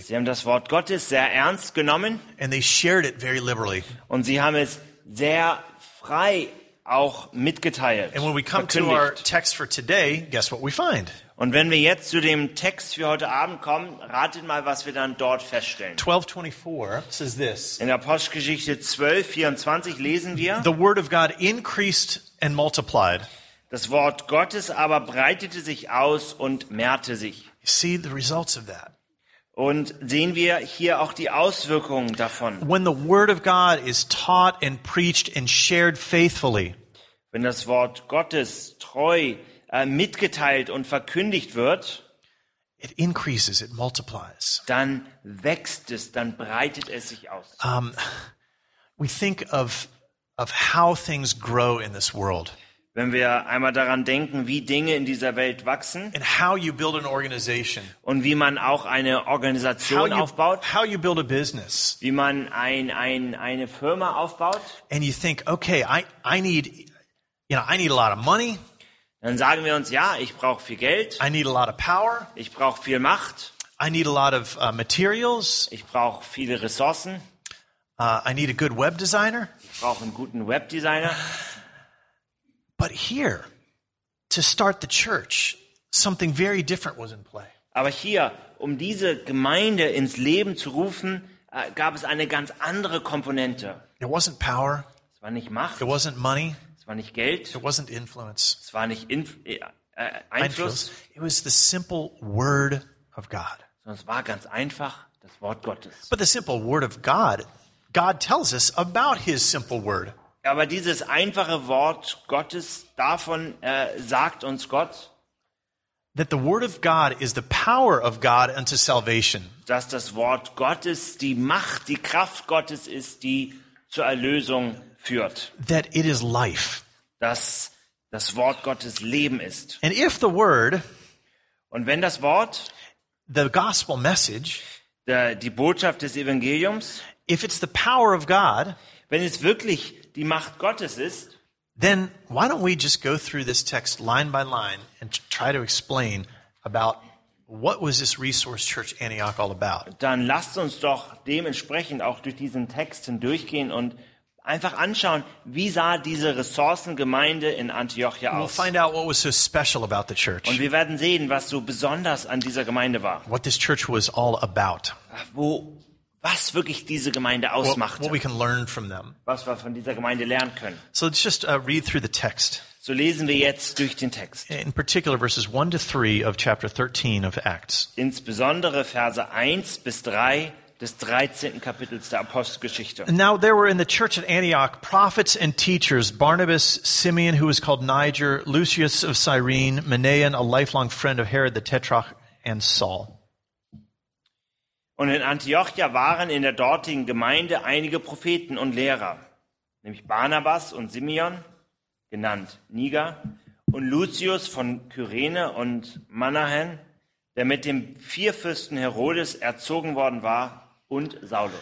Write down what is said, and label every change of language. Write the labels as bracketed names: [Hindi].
[German] Sie haben das Wort Gottes sehr ernst genommen. [English] And they shared it very liberally. [German] Und sie haben es sehr frei auch mitgeteilt. [English] And when we come to our text for today, guess what we find? [German] Und wenn wir jetzt zu dem Text für heute Abend kommen, ratet mal, was wir dann dort feststellen. [English] 12:24 says this. [German] In Apostelgeschichte 12:24 lesen wir: [English] The word of God increased and multiplied. [German] Das Wort Gottes aber breitete sich aus und mehrte sich. [English] See the results of that. [German] Und sehen wir hier auch die Auswirkungen davon. [English] When the word of God is taught and preached and shared faithfully. [German] Wenn das Wort Gottes treu mitgeteilt und verkündigt wird, [English] it increases, it multiplies. [German] Dann wächst es, dann breitet es sich aus. [English] We think of how things grow in this world. [German] Wenn wir einmal daran denken, wie Dinge in dieser Welt wachsen, [English] and how you build an organization, [German] und wie man auch eine Organisation aufbaut, [English] how you build a business, [German] wie man eine Firma aufbaut, [English] and you think, okay, I need a lot of money. [German] Dann sagen wir uns, ja, ich brauche viel Geld. [English] I need a lot of power. [German] Ich brauche viel Macht. [English] I need a lot of materials. [German] Ich brauche viele Ressourcen. [English] I need a good web designer. [German] Ich brauche einen guten Webdesigner. [English] But here, to start the church, something very different was in play. [German] Aber hier, um diese Gemeinde ins Leben zu rufen, gab es eine ganz andere Komponente. [English] It wasn't power. [German] Es war nicht Macht. [English] It wasn't money. [German] Es war nicht Geld. [English] It wasn't influence. [German] Es war nicht Einfluss. [English] It was the simple word of God. [German] Sondern es war ganz einfach das Wort Gottes. [English] But the simple word of God tells us about his simple word. [German] Aber dieses einfache Wort Gottes, davon sagt uns Gott, [English] that the word of God is the power of God unto salvation. [German] Dass das Wort Gottes die Macht, die Kraft Gottes ist, die zur Erlösung führt. [English] That it is life. [German] Dass das Wort Gottes Leben ist. [English] And if the word, [German] und wenn das Wort, [English] the gospel message, [German] die Botschaft des Evangeliums, [English] if it's the power of God, [German] wenn es wirklich die Macht Gottes ist, [English] then why don't we just go through this text line by line and try to explain about what was this Resource Church Antioch all about? [German] Dann lasst uns doch dementsprechend auch durch diesen Text hindurchgehen und einfach anschauen, wie sah diese Ressourcengemeinde in Antiochia aus. [English] We'll find out what was so special about the church. [German] Und wir werden sehen, was so besonders an dieser Gemeinde war. [English] What this church was all about. [German] Was wirklich diese Gemeinde ausmachte. [English] What we can learn from them. [German] Was wir von dieser Gemeinde lernen können. [English] So let's just read through the text. [German] So lesen wir jetzt durch den Text. [English] In particular verses 1 to 3 of chapter 13 of Acts. [German] Insbesondere Verse 1 bis 3 des 13. Kapitels der Apostelgeschichte. [English] Now there were in the church at Antioch prophets and teachers, Barnabas, Simeon, who was called Niger, Lucius of Cyrene, Manaen, a lifelong friend of Herod the Tetrarch, and Saul. [German] Und in Antiochia waren in der dortigen Gemeinde einige Propheten und Lehrer, nämlich Barnabas und Simeon, genannt Niger, und Lucius von Kyrene und Manahen, der mit dem Vierfürsten Herodes erzogen worden war, und Saulus.